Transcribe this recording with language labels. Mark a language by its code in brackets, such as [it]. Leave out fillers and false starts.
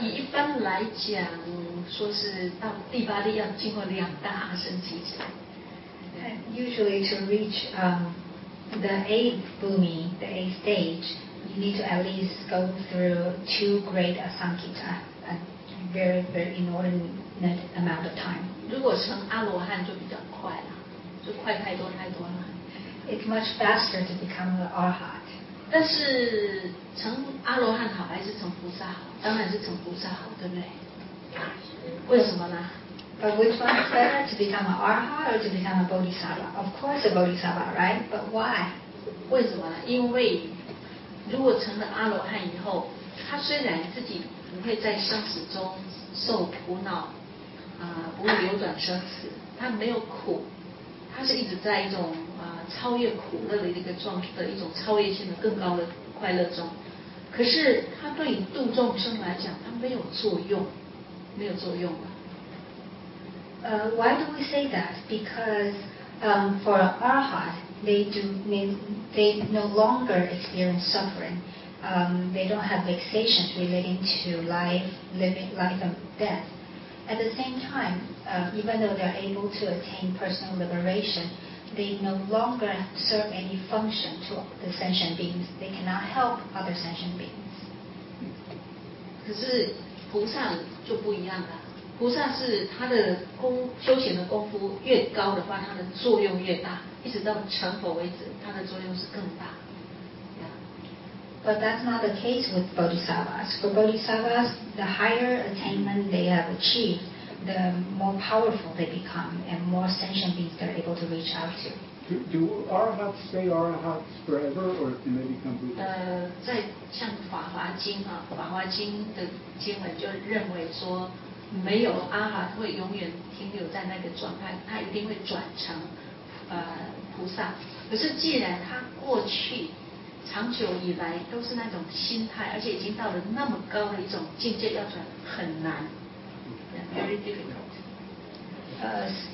[zh] 以一般来讲，说是到第八地要经过两大阿僧祇劫。 [en] Usually to reach the eighth bhumi, the eighth stage,You need to at least go through two great asankhita, a very, very inordinate amount of time. [zh] 如果成阿罗汉就比较快了，就快太多太多了。 [en] It's much faster to become an arhat. [zh] 但是成阿罗汉好还是成菩萨好？当然是成菩萨好，对不对？为什么呢？ [en] But which one is better, to become an arhat or to become a bodhisattva? Of course a bodhisattva, right? But why? [zh] 为什么呢？因为如果成了阿罗汉以后，他虽然自己不会在生死中受苦恼，不会流转生死，他没有苦，他是一直在一种超越苦乐的一个状态的一种超越性的更高的快乐中。可是他对于度众生来讲，他没有作用，没有作用了。 [en] Why do we say that? Because for arhat. They no longer experience suffering. They don't have vexations relating to life, living life and death. At the same time, even though they're able to attain personal liberation, they no longer serve any function to the sentient beings. They cannot help other sentient beings. [zh] 可是菩萨就不一样了。菩萨是他的功修行的功夫越高的话，他的作用越大。一直到成佛为止，它的作用是更大。 [en] Yeah. But that's not the case with bodhisattvas. For bodhisattvas, the higher attainment they have achieved, the more powerful they become, and more sentient beings they're able to reach out to. Do arhats stay arhats forever, or can they become Buddhas? [zh] 在像《法华经》啊，《法华经》的经文就认为说，没有阿罗汉会永远停留在那个状态，他一定会转成。菩萨，可是既然他过去长久以来都是那种心态，而且已经到了那么高的一种境界，要转很难 ， [en] very difficult。